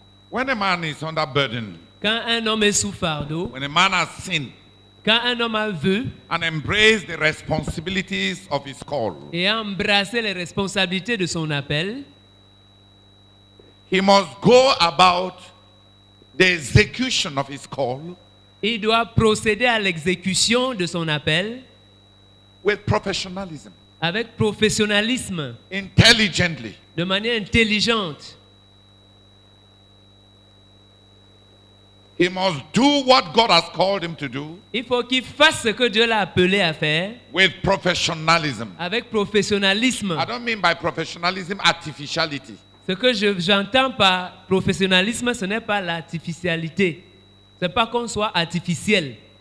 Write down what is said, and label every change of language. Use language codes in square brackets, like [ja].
[en] When a man is under burden, [fr] quand un homme est sous fardeau, [en] when a man has sinned, [fr] quand un homme a vu, [en] and embraced the responsibilities of his call, [fr] et a embrassé les responsabilités de son appel, [en] he must go about the execution of his call, [fr] il doit procéder à l'exécution de son appel. [en] With professionalism. [fr] Avec professionnalisme. [en] Intelligently. [fr] De manière intelligente. [en] He must do what God has called him to do. [fr] Il faut qu'il fasse ce que Dieu l'a appelé à faire. [en] With professionalism. [fr] Avec professionnalisme. [en] I don't mean by professionalism artificiality. [fr] Ce que j'entends par professionnalisme, ce n'est pas l'artificialité. Ce n'est pas qu'on soit artificiel.